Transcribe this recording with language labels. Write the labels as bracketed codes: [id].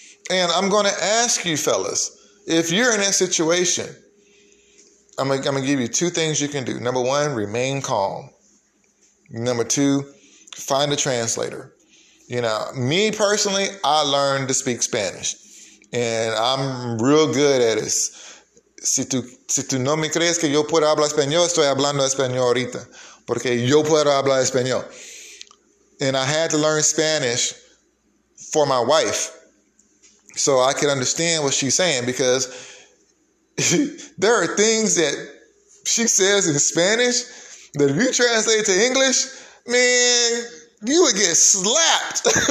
[en] And I'm going to ask you, fellas, if you're in that situation, I'm going to give you two things you can do. Number one, remain calm. Number two, find a translator. You know, me personally, I learned to speak Spanish and I'm real good at it. [es] Si tú no me crees que yo puedo hablar español, estoy hablando español ahorita. Porque yo puedo hablar español. [en] And I had to learn Spanish for my wife so I could understand what she's saying, because there are things that she says in Spanish that if you translate to English, man, you would get slapped.